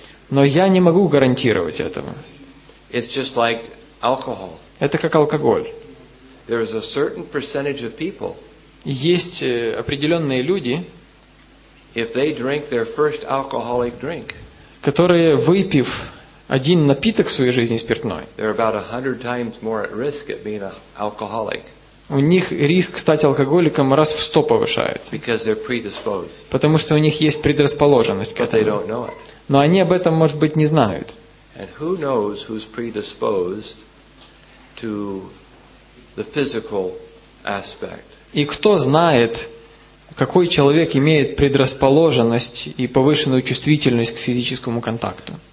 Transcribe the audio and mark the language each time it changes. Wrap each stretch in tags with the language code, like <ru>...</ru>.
<ru>Но я не могу гарантировать этого. Это как алкоголь. Есть определенные люди, если они пьют свой алкогольный напиток, которые, выпив один напиток в своей жизни спиртной,</ru> <en>they're about 100 times more at risk at being an alcoholic.</en> <ru>У них риск стать алкоголиком раз в 100 повышается.</ru> <en>Because they're predisposed.</en> <ru>Потому что у них есть предрасположенность к этому.</ru> <en>But they don't know it.</en> <ru>Но они об этом, может быть, не знают.</ru> <en>And who knows who's predisposed to the physical aspect?</en> <ru>И кто знает, какой человек имеет предрасположенность и повышенную чувствительность к физическому контакту?</ru>